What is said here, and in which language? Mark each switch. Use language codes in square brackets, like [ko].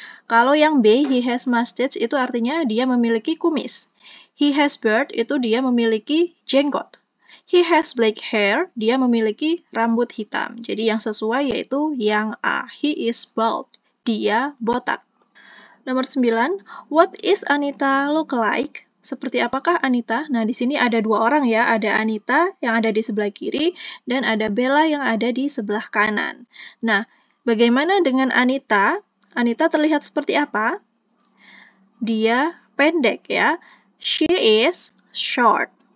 [id] Kalau yang B, [en] he has mustache, [id] itu artinya dia memiliki kumis. [en] He has beard, [id] itu dia memiliki jenggot. [en] He has black hair, [id] dia memiliki rambut hitam. Jadi yang sesuai yaitu yang A, [en] he is bald. [id] Dia botak. [en] Nomor 9, what is Anita look like? [id] Seperti apakah Anita? Nah, di sini ada dua orang ya. Ada Anita yang ada di sebelah kiri dan ada Bella yang ada di sebelah kanan. Nah, bagaimana dengan Anita? Anita terlihat seperti apa? Dia pendek ya. [en] She is short.